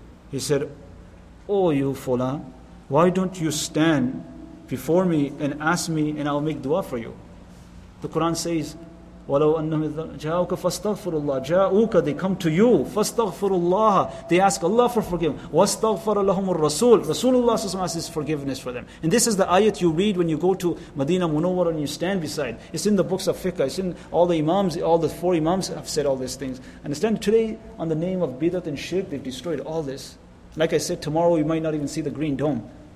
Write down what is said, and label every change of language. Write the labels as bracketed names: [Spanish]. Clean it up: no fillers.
[English] He said, oh you Fulan, why don't you stand before me and ask me and I'll make dua for you? The Quran says, [Arabic] وَلَوْ أَنَّهُمْ جَاءُكَ فَاسْتَغْفِرُ اللَّهِ جَاءُكَ, [English] they come to you, [Arabic] فَاسْتَغْفِرُ اللَّهَ, [English] they ask Allah for forgiveness. [Arabic] وَاسْتَغْفَرَ لَهُمُ الرَّسُولُ, Rasulullah s.a.w. [English] asks forgiveness for them. And this is the ayat you read when you go to Medina Munawwara and you stand beside. It's in the books of fiqh, it's in all the imams, all the four imams have said all these things. Understand, today on the name of bidat and shirk, they've destroyed all this. Like I said, tomorrow we might not even see the Green Dome.